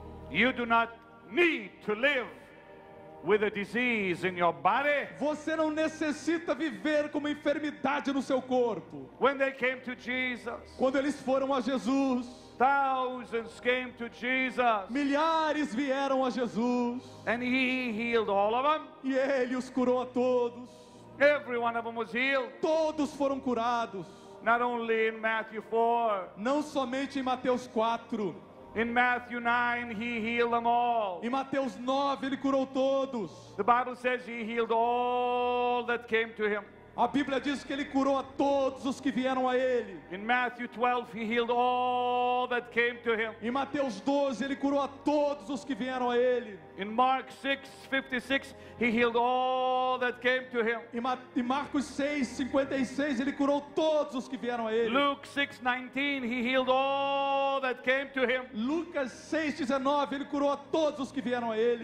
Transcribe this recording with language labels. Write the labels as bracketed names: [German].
[English] You do not need to live with a disease in your body. [Portuguese] Você não necessita viver com uma enfermidade no seu corpo. [English] When they came to Jesus, [Portuguese] quando eles foram a Jesus, [English] thousands came to Jesus, [Portuguese] milhares vieram a Jesus, [English] and he healed all of them. [Portuguese] E ele os curou a todos. [English] Every one of them was healed. [Portuguese] Todos foram curados. [English] Not only in Matthew 4. [Portuguese] Não somente em Mateus 4. [English] In Matthew 9 he healed them all. [Portuguese] Em Mateus 9 ele curou todos. [English] The Bible says he healed all that came to him. [Portuguese] A Bíblia diz que ele curou a todos os que vieram a ele. [English] In Matthew 12 he healed all that came to him. [Portuguese] Em Mateus 12 ele curou a todos os que vieram a ele. [English] In Mark 6:56 he healed all that came to him. [Portuguese] Em Marcos 6:56 ele curou todos os que vieram a ele. [English] Luke 6:19 he healed all that came to him. [Portuguese] Lucas 6:19 ele curou a todos os que vieram a ele.